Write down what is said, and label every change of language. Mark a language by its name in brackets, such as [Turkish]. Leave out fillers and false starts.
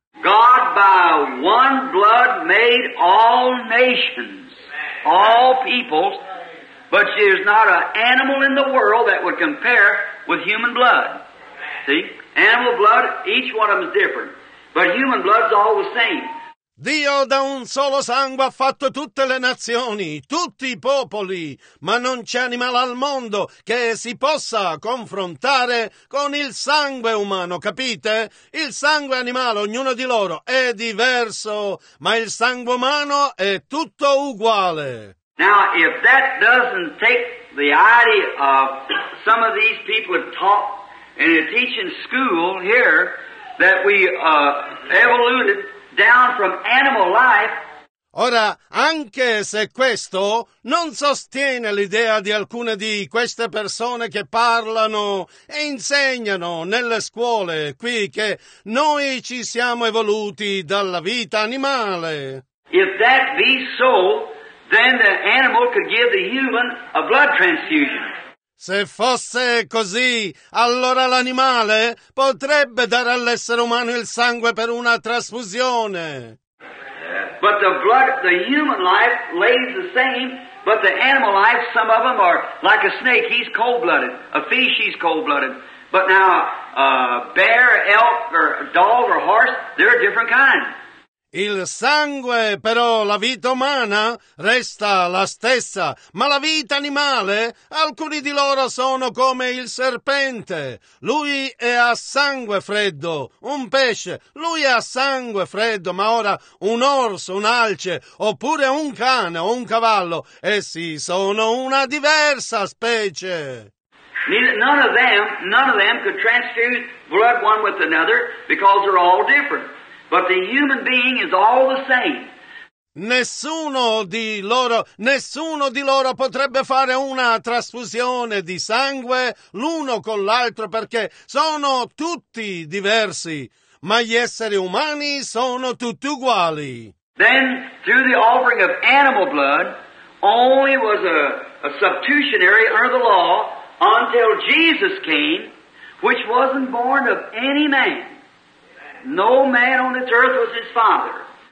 [English] God by one blood made all nations, all peoples, but there's not an animal in the world that would compare with human blood. See, animal blood, each one of them is different, but human blood is all the same. [Italian] Dio da un solo sangue ha fatto tutte le nazioni, tutti i popoli, ma non c'è animale al mondo che si possa confrontare con il sangue umano, capite? Il sangue animale, ognuno di loro, è diverso, ma il sangue umano è tutto uguale. [English] Now, if that doesn't take the idea of some of these people have taught in a teaching school here that we evoluted down from animal life. [Italian] Ora, anche se questo non sostiene l'idea di alcune di queste persone che parlano e insegnano nelle scuole qui che noi ci siamo evoluti dalla vita animale. [English] If that be so, then the animal could give the human a blood transfusion. [Italian] Se fosse così, allora l'animale potrebbe dare all'essere umano il sangue per una trasfusione. [English] But the blood, the human life lays the same, but the animal life, some of them are like a snake, he's cold-blooded. A fish, he's cold-blooded. But now, a bear, elk, or dog, or horse, they're a different kind. [Italian] Il sangue, però, la vita umana resta la stessa, ma la vita animale, alcuni di loro sono come il serpente. Lui è a sangue freddo, un pesce, lui è a sangue freddo, ma ora un orso, un alce, oppure un cane o un cavallo, essi sono una diversa specie. [English] None of them could transfuse blood one with another because they're all different. But the human being is all the same. [Italian] Nessuno di loro potrebbe fare una trasfusione di sangue l'uno con l'altro perché sono tutti diversi, ma gli esseri umani sono tutti uguali. [English] Then through the offering of animal blood only was a substitutionary under the law until Jesus came, which wasn't born of any man. No man on this earth was his father.